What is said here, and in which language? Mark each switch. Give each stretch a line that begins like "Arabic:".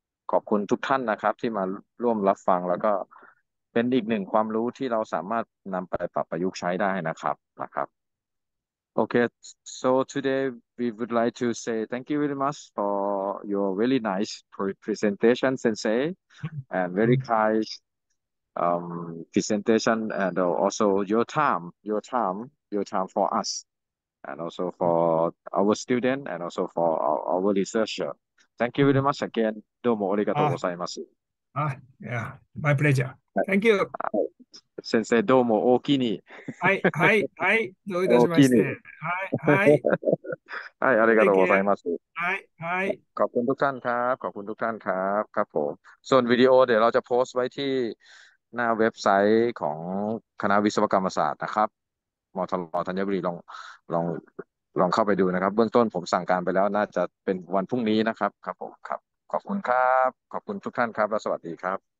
Thai: ขอบคุณทุกท่านนะครับที่มาร่วมรับฟังแล้วก็เป็นอีกหนึ่งความรู้ที่เราสามารถนำไปปรับประยุกต์ใช้ได้นะครับโอเค
English: so today we would like to say thank you very much for your really nice presentation Sensei and very kind presentation and also your time for us and also for our student and also for our researcher. Thank you very much again.
Japanese: どうもありがとうございます。
English: My pleasure. Thank you.
Japanese: 先生どうも大きに。はい。どういたしまして。はい。ありがとうございます。はい。
Thai: ขอบคุณทุกท่านครับขอบคุณทุกท่านครับครับผมส่วนวิดีโอเดี๋ยวเราจะโพสต์ไว้ที่หน้าเว็บไซต์ของคณะวิศวกรรมศาสตร์นะครับมทล. ธัญบุรีลองเข้าไปดูนะครับเบื้องต้นผมสั่งการไปแล้วน่าจะเป็นวันพรุ่งนี้นะครับครับผมครับขอบคุณครับขอบคุณทุกท่านครับและสวัสดีครับ